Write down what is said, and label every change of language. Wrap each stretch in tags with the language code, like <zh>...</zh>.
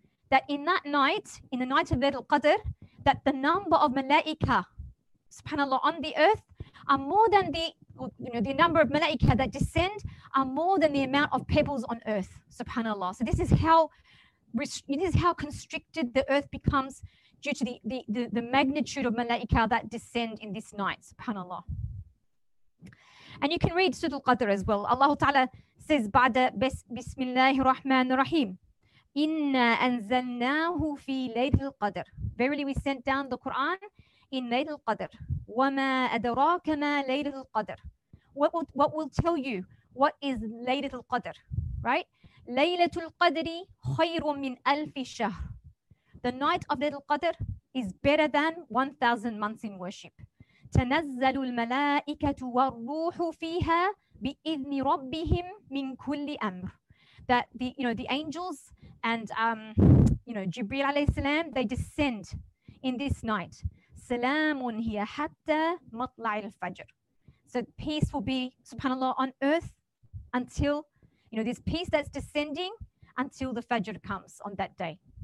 <en>That in that night, in the night of Laylatul Qadr, that the number of malaika, subhanAllah, on the earth are more than the, you know, the number of malaika that descend are more than the amount of pebbles on earth, subhanAllah. So this is how constricted the earth becomes due to the magnitude of malaika that descend in this night, subhanAllah. And you can read Surah Al-Qadr as well. Allah Ta'ala says,</en> <ar>بعد بسم الله الرحمن الرحيم إِنَّا أَنزَلْنَاهُ فِي لَيْلِ الْقَدْرِ.</ar> <en>Verily we sent down the Quran in Laylatul Qadr.</en> <ar>وَمَا أَدْرَاكَ مَا لَيْلَةُ الْقَدْرِ.</ar> <en>What will tell you what is Laylatul Qadr, right?</en> <ar>لَيْلَةُ الْقَدْرِ خَيْرٌ مِّنْ أَلْفِ شَهْرٍ.</ar> <en>The night of Laylatul Qadr is better than 1,000 months in worship.</en> <ar>تنزل الملائكة والروح فيها بإذن ربهم من كل أمر.</ar> <en>That the, you know, the angels and you know, Jibreel alayhi salam, they descend in this night.</en> <ar>سلام هي حتى مطلع الفجر.</ar> <en>So peace will be, subhanAllah, on earth until, you know, this peace that's descending until the Fajr comes on that day.</en>